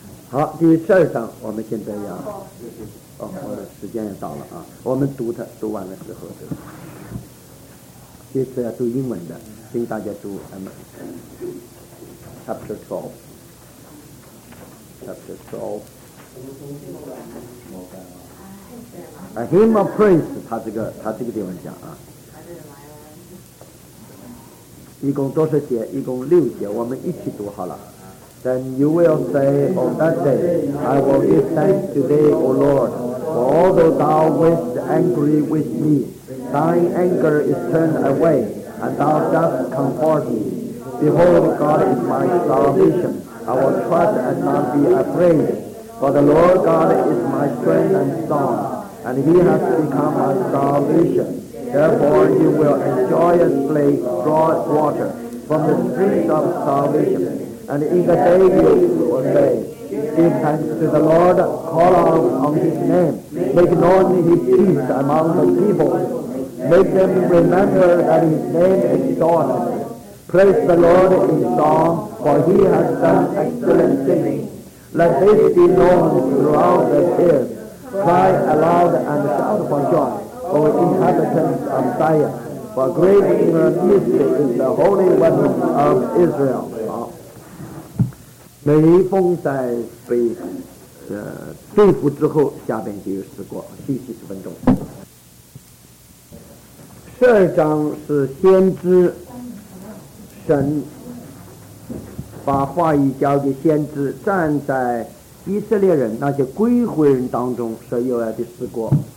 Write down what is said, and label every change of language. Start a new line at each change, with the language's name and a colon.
Chinese: 好，第十二章我们现在要我的时间也到了啊，我们读它，读完了之后就这次要读英文的，请大家读 Chapter 12 A hymn of praise， 他这个地方讲啊，一共多少节？一共六节，我们一起读好了。
English: Then you will say on that day, I will give thanks today, O Lord, for although thou wast angry with me, thine anger is turned away, and thou dost comfort me. Behold, God is my salvation. I will trust and not be afraid, for the Lord God is my strength and song, and he has become my salvation. Therefore you will joyously draw water from the streams of salvation, and in the day you will say, give thanks to the Lord, call out on his name, make known his deeds among the people, make them remember that his name is God. Praise the Lord in song, for he has done excellent things. Let this be known throughout the earth. Cry aloud and shout for joy, O inhabitants of Zion, for great in your midst is the Holy One of Israel.
Chinese: 好，每逢在被对付之后，下边就有诗歌，休息十分钟。十二章是先知。神把话语交给先知，站在以色列人那些归回人当中所有来的诗歌。